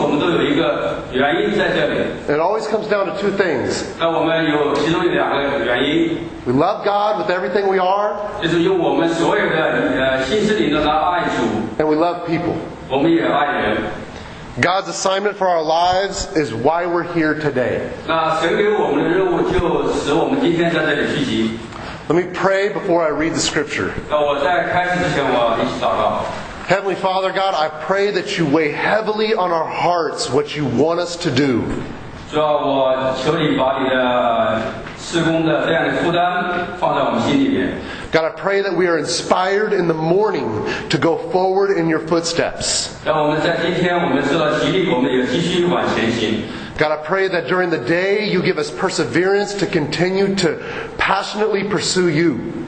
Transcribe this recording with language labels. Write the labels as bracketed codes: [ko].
[zh] 那我们在座的每一位在这里，只要有一丝的呼吸，我们都有一个原因在这里。 [en] It always comes down to two things. [zh] 那我们有其中有两个原因。 [en] We love God with everything we are. [zh] 就是用我们所有的心思灵都来爱主。 [en] And we love people. [zh] 我们也爱人。 [en] God's assignment for our lives is why we're here today. [zh] 那神给我们的任务就使我们今天在这里聚集。 [en] Let me pray before I read the scripture. [zh] 那我在开始之前，我一起祷告。 [en] Heavenly Father God, I pray that you weigh heavily on our hearts what you want us to do. [zh] 主啊，我求你把你的事工的这样的负担放在我们心里面。 [en] God, I pray that we are inspired in the morning to go forward in your footsteps. [zh] 让我们在今天，我们受到激励，我们有继续往前行。 [en] God, I pray that during the day you give us perseverance to continue to passionately pursue you.